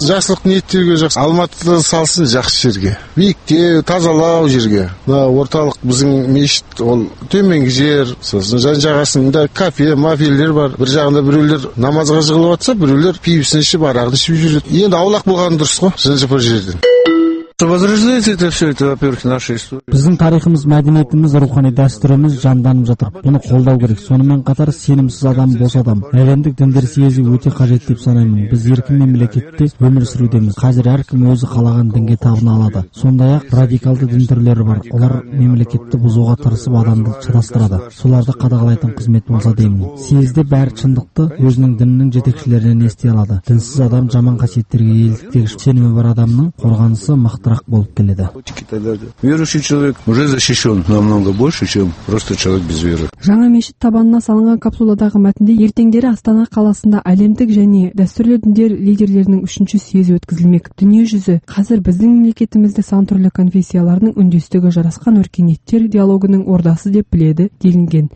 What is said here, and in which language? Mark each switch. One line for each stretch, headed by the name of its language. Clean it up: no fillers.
Kazakh: Жақсылық ниеттерге жақсы. Алматыда салсын жақсы жерге. Биікте, тазалау жерге. Мына орталық біздің мешіт ол төменгі жер, сосын жан жағасында кафе, мафиелер бар. Бір жағында біреулер намазға жығылып отса, біреулер пивсін ішіп, арақ ішіп жүреді. Енді аулақ болғаны дұрыс қой, жынжып жерден.
Russian: Возрождается это все, это, во-первых, наша история.
Kazakh: Біздің тарихымыз, мәдениетіміз, рухани дәстүріміз жанданып жатыр. Бұны қолдау керек. Сонымен қатар сенімсіз адам бос адам. Әлемдік діндер съезі өте қажет деп санаймын. Біз еркін мемлекетте өмір сүрудеміз. Қазір әркім өзі қалаған дінге табына алады. Сондай-ақ радикалды дін түрлері бар. Олар мемлекетті бұзуға тырысып адамды шатастырады. Соларды қадағалайтын қызмет болса деймін. Съезде бәрі шындықты өзінің дінінің жетекшілерінен ести алады. Дінсіз адам жаман қасиеттерге еліктегіш. Сенімі бар адамның қорғанысы трақ болып келеді.
Russian: Верующий человек уже защищен намного больше, чем просто человек без веры.
Kazakh: Жаңа мешіт табанына салынған капсуладағы мәтінде ертеңдері Астана қаласында әлемдік және дәстүрлі діндер лидерлерінің үшінші съезі өткізілмек. Дүние жүзі қазір біздің мемлекетімізде сан түрлі конфессиялардың үндестігі жарасқан өркениеттер диалогының ордасы деп біледі, делінген.